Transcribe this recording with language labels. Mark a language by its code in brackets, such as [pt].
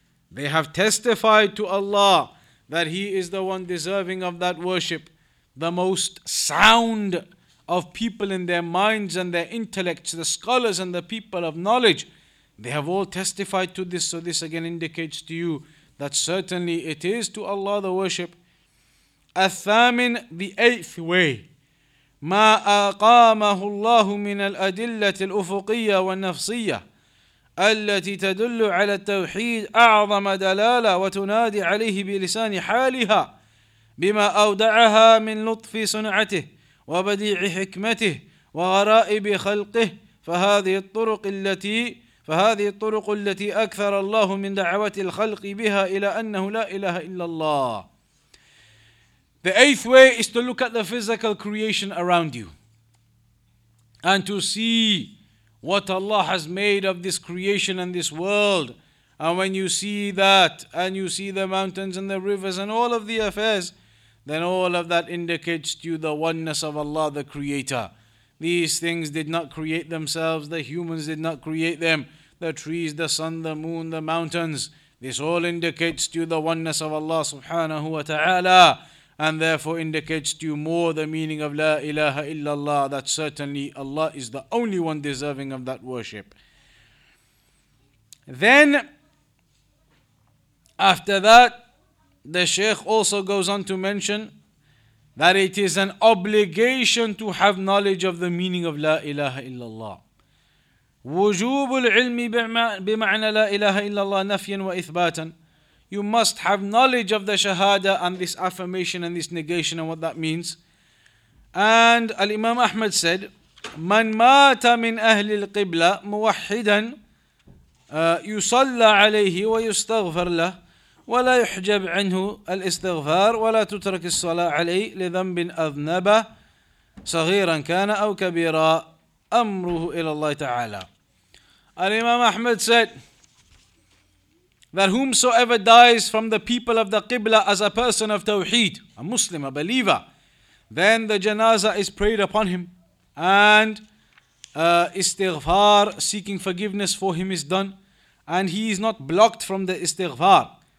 [en] They have testified to Allah that He is the one deserving of that worship. The most sound of people in their minds and their intellects, the scholars and the people of knowledge, they have all testified to this. So this again indicates to you that certainly it is to Allah the worship. [ar] الثامن, [en] the eighth way. [ar] ما أقامه الله من الأدلة الأفقية والنفسية التي تدل على التوحيد أعظم دلالة وتنادي عليه بلسان حالها بما أودعها من لطف صنعته وبديع حكمته وغرائب خلقه فهذه الطرق التي أكثر الله من دعوة الخلق بها إلى أنه لا إله إلا الله. [en] The eighth way is to look at the physical creation around you and to see what Allah has made of this creation and this world. And when you see that, and you see the mountains and the rivers and all of the affairs, then all of that indicates to you the oneness of Allah, the Creator. These things did not create themselves. The humans did not create them. The trees, the sun, the moon, the mountains. This all indicates to you the oneness of Allah subhanahu wa ta'ala. And therefore indicates to you more the meaning of La ilaha illallah. That certainly Allah is the only one deserving of that worship. Then, after that, the Shaykh also goes on to mention that it is an obligation to have knowledge of the meaning of La ilaha illallah. [ar] وجوب العلم بمعنى لا إله إلا الله نفيا وإثباتا. [en] You must have knowledge of the Shahada and this affirmation and this negation and what that means. And Al-Imam Ahmad said, [ar] من مات من أهل القبلة موحدا يصلى عليه ويستغفر له ولا يحجب عنه الاستغفار ولا تترك الصلاة عليه لذنب أذنبه صغيرا كان أو كبيرا أمره إلى الله تعالى. [en] Al-Imam Ahmad said that whomsoever dies from the people of the Qibla as a person of Tawheed, a Muslim, a believer, then the janazah is prayed upon him and istighfar, seeking forgiveness for him, is done, and he is not blocked from the istighfar.